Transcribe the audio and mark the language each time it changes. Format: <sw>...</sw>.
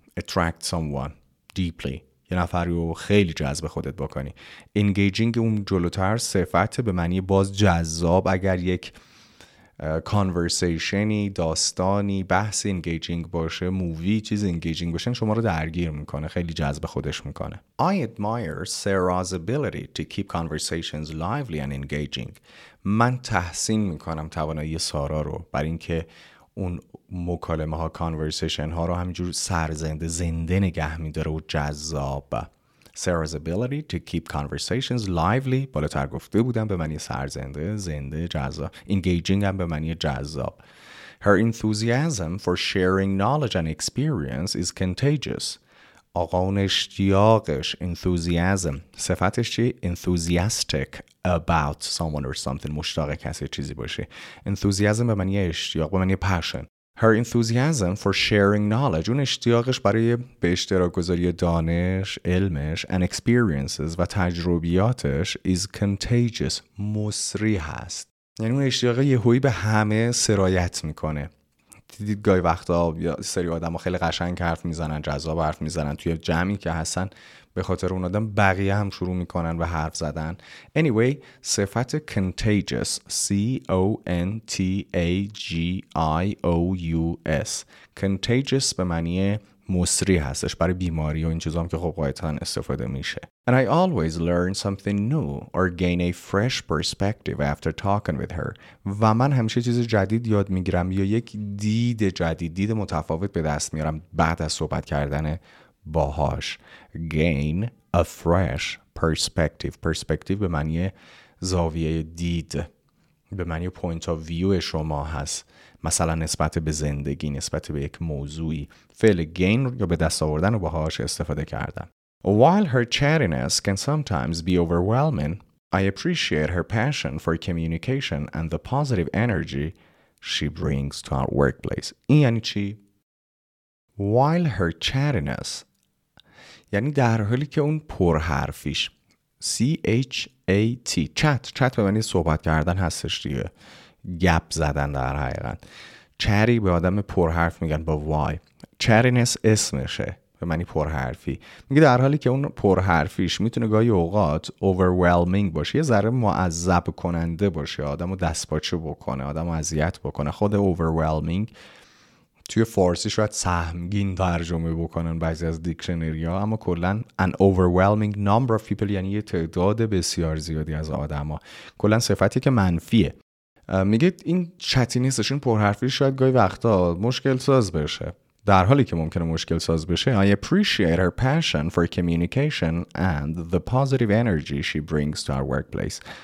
<en>attract someone deeply،</en> <fa>یه نفری رو خیلی جذب خودت بکنی. engaging اون جلوتر صفت، به معنی باز جذاب. اگر یک conversationی، داستانی، بحث engaging باشه، مووی چیز engaging باشه، شما رو درگیر میکنه، خیلی جذب خودش میکنه.</fa> <en>I admire Sarah's ability to keep conversations lively and engaging.</en> <fa>من تحسین میکنم توانایی سارا رو برای اینکه اون مکالمه ها، conversation ها رو همینجور سرزنده، زنده نگه میداره و جذاب.</fa> <en>Sarah's ability to keep conversations lively،</en> <fa>بالاتر گفته بودم به معنی سرزنده، زنده، جذاب. Engaging هم به معنی جذاب.</fa> <en>Her enthusiasm for sharing knowledge and experience is contagious.</en> <fa>آقا اون اشتیاقش، enthusiasm، صفتش چی؟</fa> <en>enthusiastic about someone or something،</en> <fa>مشتاق کسی چیزی باشه. Enthusiasm به معنی اشتیاق، به معنی passion.</fa> <en>Her enthusiasm for sharing knowledge،</en> <fa>اون اشتیاقش برای به اشتراک گذاری دانش، علمش،</fa> <en>and experiences،</en> <fa>و تجربیاتش،</fa> <en>is contagious،</en> <fa>مصری هست. یعنی اون اشتیاق یه هوی به همه سرایت میکنه. دیدید گاهی وقتا سری آدم ها خیلی قشنگ حرف میزنن، جذاب حرف میزنن، توی جمعی که هستن به خاطر اون آدم بقیه هم شروع میکنن و حرف زدن. Anyway، صفت contagious، C-O-N-T-A-G-I-O-U-S، contagious به معنی مصری هستش، برای بیماری و این چیزا هم که خب قاعدتا استفاده میشه.</fa> <en>And I always learn something new or gain a fresh perspective after talking with her.</en> <fa>و من همیشه چیز جدید یاد میگیرم یا یک دید جدید، دید متفاوت به دست میارم بعد از صحبت کردن باهاش.</fa> <en>Gain a fresh perspective.</en> <fa>Perspective به معنی زاویه دید، به معنی point of view شما هست، مثلا نسبت به زندگی، نسبت به یک موضوعی. فعل gain یا به دست آوردن رو باهاش استفاده کردم.</fa> <en>While her chattiness can sometimes be overwhelming, I appreciate her passion for communication and the positive energy she brings to our workplace.</en> <fa>این یعنی چی؟</fa> <en>While her chattiness،</en> <fa>یعنی در حالی که اون پرحرفیش، C H A-T چت به معنی صحبت کردن هستش دیگه، گپ زدن در حقیقت. چری به آدم پرحرف میگن با وای. چرینس اسمشه، به معنی پرحرفی. میگه در حالی که اون پرحرفیش میتونه گاهی اوقات overwhelming باشه، یه ذره معذب کننده باشه، آدمو دستپاچه بکنه، آدمو اذیت بکنه. خود overwhelming توی فارسی شاید سهمگین ترجمه بکنن بعضی از دیکشنری‌ها، اما کلن</fa> <en>an overwhelming number of people</en> <fa>یعنی یه تعداد بسیار زیادی از آدم ها، کلن صفتی که منفیه. میگه این چتی نیستش، این پرحرفی شاید گاهی وقتا مشکل ساز بشه، در حالی که ممکنه مشکل ساز بشه.</fa> <en>I appreciate her passion for communication and the positive energy she brings to our workplace.</en>